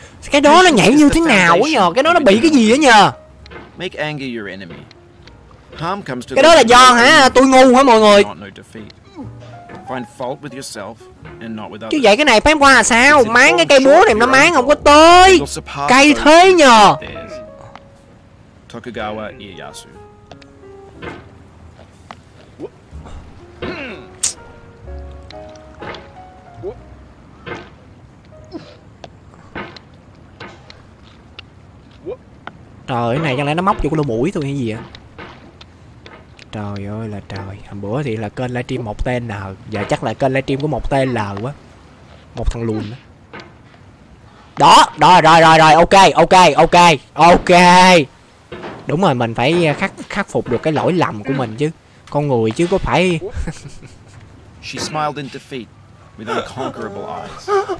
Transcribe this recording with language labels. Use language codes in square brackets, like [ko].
[vi] Cái đó nó nhảy như thế nào á nhờ, cái đó nó bị cái gì á nhờ. [en] Make anger your enemy. Harm comes to the... [vi] Cái đó là do hả, tôi ngu hả mọi người. [en] Find fault with yourself and not with others. [vi] Chứ vậy cái này phán qua là sao? Máng cái cây búa này nó máng không có tới. Cây thế nhờ. Tokugawa Ieyasu. Trời, cái này chẳng lẽ nó móc vô cái lỗ mũi tôi hay gì vậy? Trời ơi là trời, hôm bữa thì là kênh livestream một tên L, giờ chắc là kênh livestream của một tên L quá. Một thằng lùn đó. Đó, đó rồi rồi rồi, ok, ok, ok, ok. Đúng rồi, mình phải khắc phục được cái lỗi lầm của mình chứ. Con người chứ có phải. [en] She smiled in defeat with unconquerable eyes.